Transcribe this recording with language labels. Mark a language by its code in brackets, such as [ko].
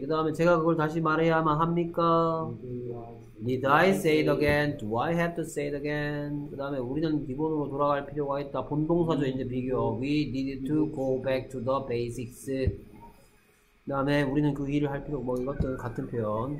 [ko] 그다음에 제가 그걸 다시 말해야만 합니까? [en] Need I say it again? Do I have to say it again? [ko] 그 다음에 우리는 기본으로 돌아갈 필요가 있다. 본동사죠, 이제 비교. [en] We need to go back to the basics. [ko] 그 다음에 우리는 그 일을 할 필요, 뭐 이것들 같은 표현.